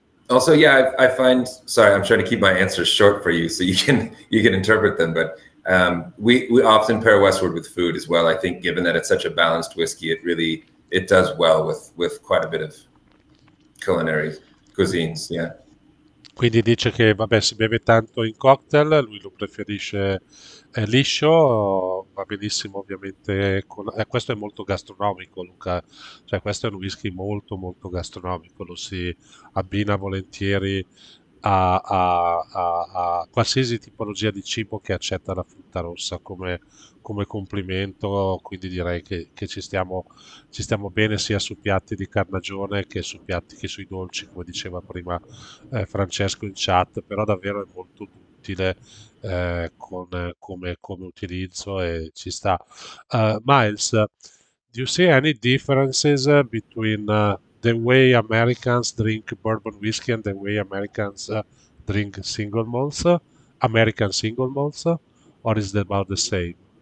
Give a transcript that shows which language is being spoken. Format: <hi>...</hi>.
<en>Also, yeah, I find, sorry, I'm trying to keep my answers short for you so you can interpret them, but... we often pair Westward with food as well. I think given that it's such a balanced whiskey, it does well with quite a bit of culinary cuisines. Yeah.</en> <it>Quindi dice che vabbè, si beve tanto in cocktail, lui lo preferisce liscio, va benissimo ovviamente con, questo è molto gastronomico, Luca, cioè questo è un whisky molto molto gastronomico, lo si abbina volentieri a qualsiasi tipologia di cibo che accetta la frutta rossa come complimento, quindi direi che ci stiamo bene sia su piatti di carnagione che su piatti che sui dolci, come diceva prima Francesco in chat, però davvero è molto utile come utilizzo e ci sta.</it> <en>Miles, do you see any differences between the way Americans drink bourbon whiskey and the way Americans drink single malts, American single malts, or is it about the same?</en>